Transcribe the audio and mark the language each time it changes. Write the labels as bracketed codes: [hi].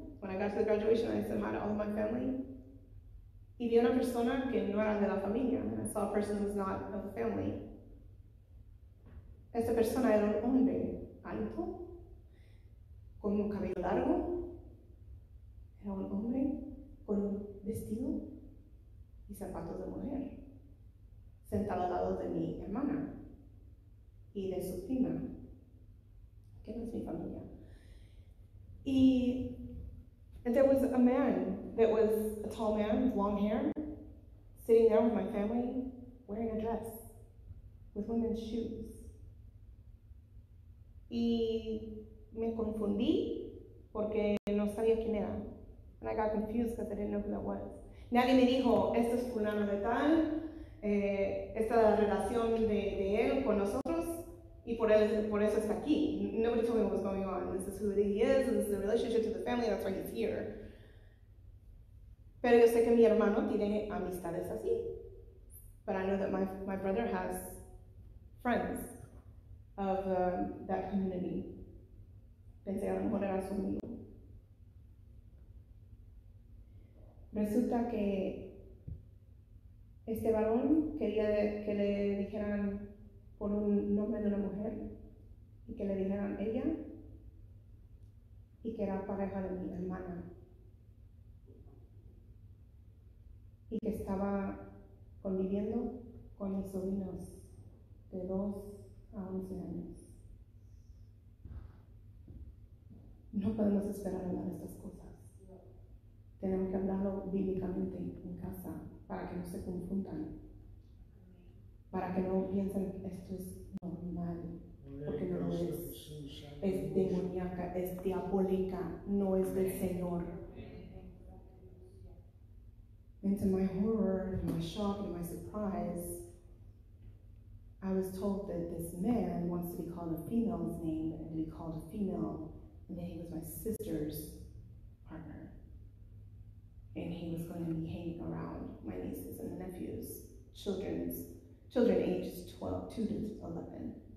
[en] When I got to the graduation, I said hi to all my family. [es] Y vi una persona que no era de la familia. [en] I saw a person who was not of the family. [es] Esta persona era un hombre alto, con un cabello largo. Era un hombre con un vestido y zapatos de mujer. Sentado al lado de mi hermana y de su prima, que no es mi familia. [en] Y there was a man that was a tall man with long hair, sitting there with my family, wearing a dress with women's shoes. [es] Y me confundí porque no sabía quién era. [en] And I got confused because I didn't know who that was. [es] Nadie me dijo, esto es fulano de tal, esta es la relación de él con nosotros, y por eso está aquí. [en] Nobody told me what was going on. This is who he is, and this is the relationship to the family, that's why he's here. [es] Pero yo sé que mi hermano tiene amistades así. [en] But I know that my brother has friends of that community. [es] Pensé a lo mejor era su amigo. Resulta que este varón quería que le dijeran por un nombre de una mujer y que le dijeran ella, y que era pareja de mi hermana, y que estaba conviviendo con mis sobrinos de 2 a 11 años. No podemos esperar a nada de estas cosas. Tenemos que hablarlo bíblicamente en casa para que no se confundan, para que no piensen que esto es normal, porque no lo es. Es demoníaca, es diabólica, no es del Señor. [en] And to my horror, and my shock, and my surprise, I was told that this man wants to be called a female's name, and to be called a female, and that he was my sister's partner. was going to be hanging around my nieces and nephews, children ages 12, 2 to 11.